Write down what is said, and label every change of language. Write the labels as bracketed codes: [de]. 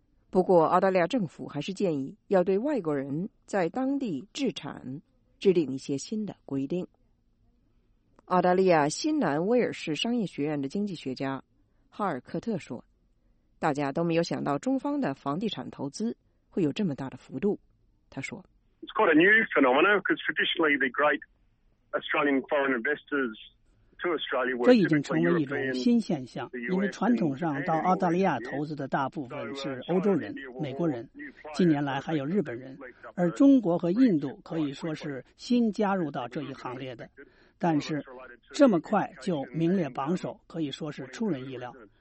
[zh] 不过，澳大利亚政府还是建议要对外国人在当地置产制定一些新的规定。澳大利亚新南威尔士商业学院的经济学家哈尔克特说，大家都没有想到中方的房地产投资会有这么大的幅度。他说 [en] It's quite a new phenomenon because traditionally the great Australian foreign investors to Australia were [zh] 这已经成为一种新现象，因为传统上到澳大利亚投资的大部分是欧洲人、美国人，近年来还有日本人，而中国和印度可以说是新加入到这一行列的，但是这么快就名列榜首可以说是出人意料。